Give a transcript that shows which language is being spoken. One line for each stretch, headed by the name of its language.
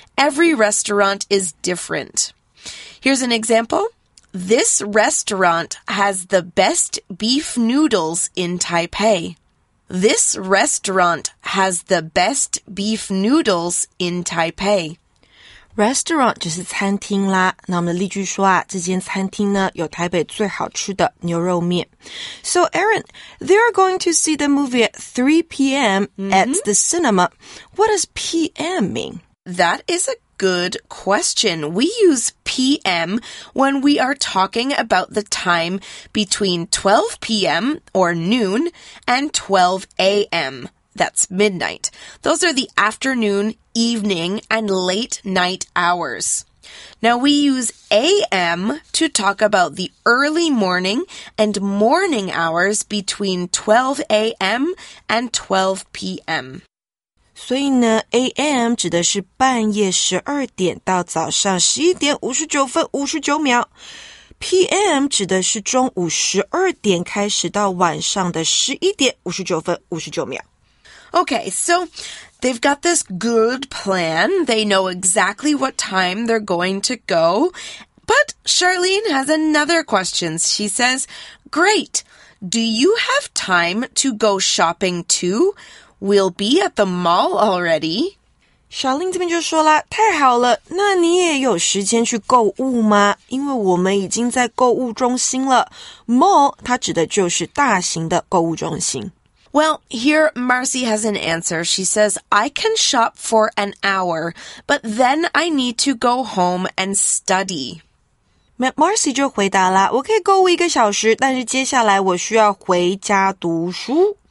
English: Every restaurant is different. Here's an example. This restaurant has the best beef noodles in Taipei. This restaurant has the best beef noodles in Taipei.
Chinese: Restaurant 就是餐厅啦。那我们的例句说啊，这间餐厅呢有台北最好吃的牛肉面。
English: So Aaron, they are going to see the movie at 3 p.m. at the cinema. What does p.m. mean? That is a good question. We use p.m. when we are talking about the time between 12 p.m. or noon and 12 a.m. That's midnight. Those are the afternoon, evening, and late night hours. Now we use a.m. to talk about the early morning and morning hours between 12 a.m. and 12 p.m.
Chinese: 所以呢 ,AM 指的是半夜12点到早上11点59分59秒。 PM 指的是中午12点开始到晚上的11点59分59秒。
English: Okay, so they've got this good plan. They know exactly what time they're going to go. But Charlene has another question. She says, great, do you have time to go shopping too? We'll be at the mall already.
Chinese: Charlene 这边就说了，太好了，那你也有时间去购物吗？因为我们已经在购物中心了。 Mall, 它指的就是大型的购物中心。
English: Well, here Marcy has an answer. She says, I can shop for an hour, but then I need to go home and study.
Chinese: Marcy 就回答了，我可以购物一个小时，但是接下来我需要回家读书。